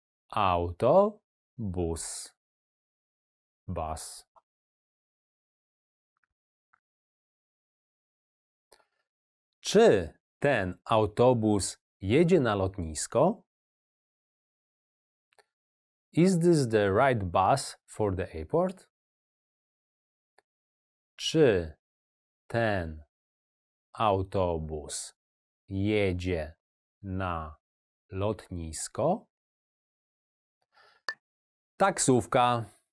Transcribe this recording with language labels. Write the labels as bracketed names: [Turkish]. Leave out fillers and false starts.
[Polish] Auto. Bus. Bus. Czy ten autobus jedzie na lotnisko? [English] Is this the right bus for the airport? [Polish] Czy ten autobus jedzie na lotnisko? Taksówka.